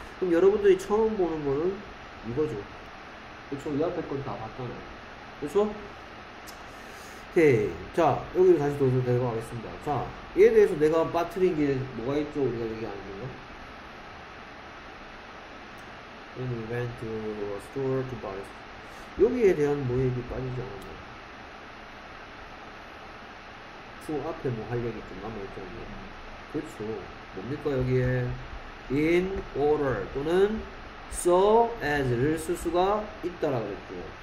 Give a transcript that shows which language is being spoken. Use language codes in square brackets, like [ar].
[ko] 그럼 여러분들이 처음 보는 거는 이거죠. 그쵸? 이 앞에 건 다 봤잖아요. 그쵸? 오케이. 자, 여기로 다시 도전 내려가겠습니다. 자, 얘에 대해서 내가 빠뜨린 게 뭐가 있죠? 우리가 얘기하는 거. [en] When we went to a store to buy. [ko] 여기에 대한 뭐 얘기 빠지지 않았나? 그 앞에 뭐 할 얘기 좀 남아있잖아요. 그렇죠. 뭡니까 여기에 in order 또는 so as를 쓸 수가 있다라고 했죠.